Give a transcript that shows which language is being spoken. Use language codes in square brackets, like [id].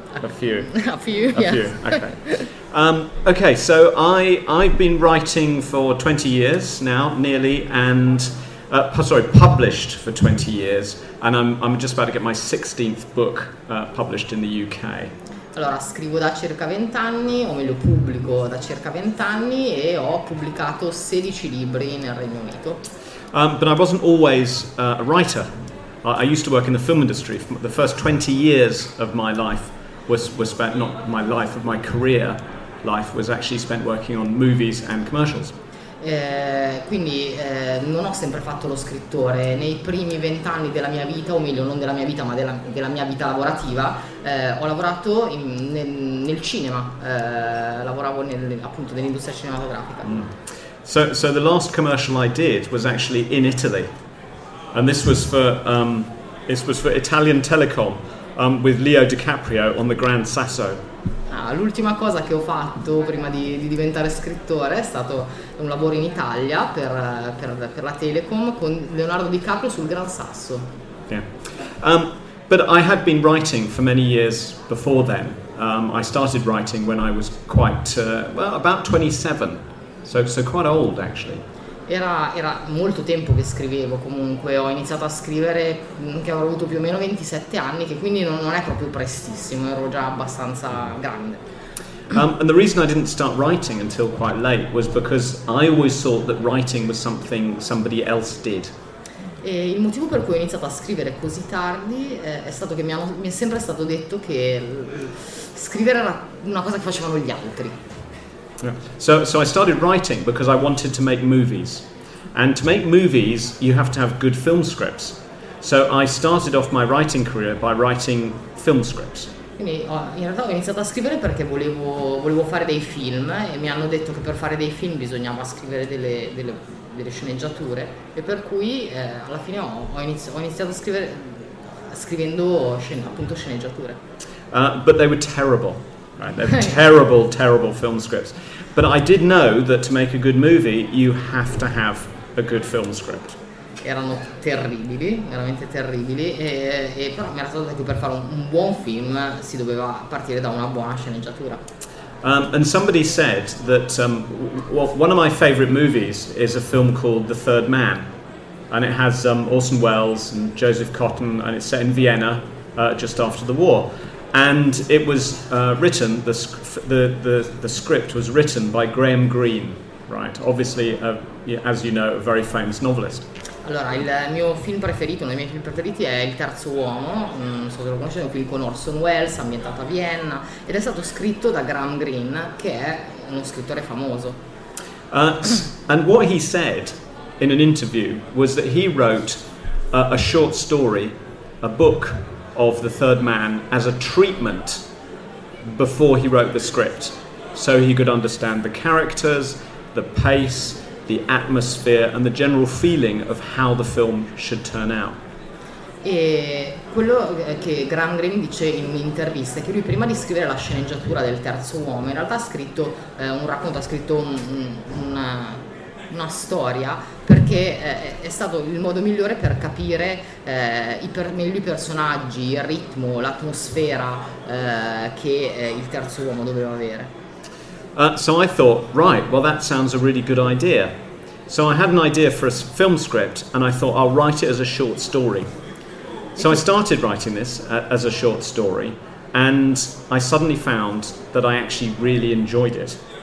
[en] a few. A few. Yes. A few. Okay. Okay, so I've been writing for 20 years now, nearly, and published for 20 years, and I'm just about to get my 16th book published in the UK. [it] Allora, scrivo da circa 20 anni, o meglio pubblico da circa 20 anni, e ho pubblicato 16 libri nel Regno Unito. [en] But I wasn't always a writer. I used to work in the film industry. The first 20 years of my life was actually spent working on movies and commercials. [it] Quindi non ho sempre fatto lo scrittore. Nei primi 20 anni della mia vita, o meglio non della mia vita ma della mia vita lavorativa, ho lavorato nel cinema, lavoravo appunto nell'industria cinematografica. Mm. [en] So the last commercial I did was actually in Italy, and this was for Italian Telecom, with Leo DiCaprio on the Grand Sasso. [it] L'ultima cosa che ho fatto prima di diventare scrittore è stato un lavoro in Italia per la Telecom con Leonardo DiCaprio sul Gran Sasso. [en] Yeah. But I had been writing for many years before then. I started writing when I was about 27, so quite old actually. [it] Era molto tempo che scrivevo comunque, ho iniziato a scrivere che avrò avuto più o meno 27 anni, che quindi non è proprio prestissimo, ero già abbastanza grande. [en] And the reason I didn't start writing until quite late was because I always thought that writing was something somebody else did. [it] E il motivo per cui ho iniziato a scrivere così tardi è stato che mi è sempre stato detto che scrivere era una cosa che facevano gli altri. [en] So I started writing because I wanted to make movies. And to make movies, you have to have good film scripts. So I started off my writing career by writing film scripts. [it] Quindi in realtà ho iniziato a scrivere perché volevo fare dei film e mi hanno detto che per fare dei film bisognava scrivere delle sceneggiature e per cui alla fine ho iniziato a scrivere scrivendo appunto sceneggiature. [en] But they were terrible. Right? They were terrible, terrible film scripts. But I did know that to make a good movie you have to have a good film script. [it] Erano terribili, veramente terribili, e però mi era stato detto che per fare un buon film si doveva partire da una buona sceneggiatura. [en] And somebody said that one of my favorite movies is a film called The Third Man, and it has Orson Welles and Joseph Cotten, and it's set in Vienna just after the war. And it was written, the script was written by Graham Greene, right? Obviously, as you know, a very famous novelist. [it] Allora, il mio film preferito, uno dei miei film preferiti è Il Terzo Uomo, non so se lo conoscete, un film con Orson Welles, ambientato a Vienna, ed è stato scritto da Graham Greene, che è uno scrittore famoso. [en] And what he said in an interview was that he wrote a short story, a book of The Third Man, as a treatment before he wrote the script, so he could understand the characters, the pace, the atmosphere and the general feeling of how the film should turn out. [it] E quello che Graham Greene dice in un'intervista è che lui prima di scrivere la sceneggiatura del Terzo Uomo in realtà ha scritto un racconto, ha scritto una storia perché è stato il modo migliore per capire meglio i personaggi, il ritmo, l'atmosfera che il Terzo Uomo doveva avere. [en] So I thought, right, well, that sounds a really good idea. So I had an idea for a film script, and I thought, I'll write it as a short story. So I started writing this as a short story, and I suddenly found that I actually really enjoyed it.